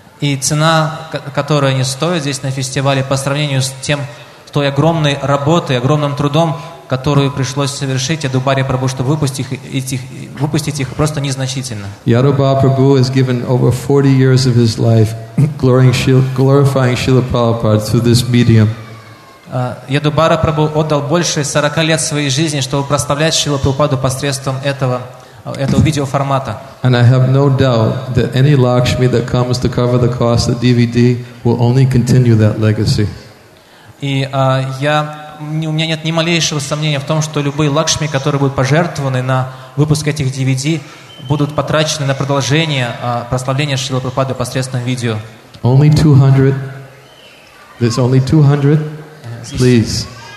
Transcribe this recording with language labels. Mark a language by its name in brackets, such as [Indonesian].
[Russian] И цена, которую они стоят здесь на фестивале, по сравнению с тем, с той огромной работой, огромным трудом, которую пришлось совершить Yadav Barprabhu, чтобы выпустить их, просто незначительно. [English] Yadav Barprabhu has given over 40 years of his life glorifying Srila Prabhupada through this medium. [Russian] Yadav Barprabhu отдал больше 40 лет своей жизни, чтобы прославлять Шрилу Прабхупаду посредством этого видеоформата. [English] And I have no doubt that any Lakshmi that comes to cover the cost of the DVD will only continue that legacy. [Russian] У меня нет ни малейшего сомнения в том, что любые лакшми, которые будут пожертвованы на выпуск этих DVD, будут потрачены на продолжение прославления Шрилы Прабхупады посредством видео. [English] Only 200. There's only 200. Please.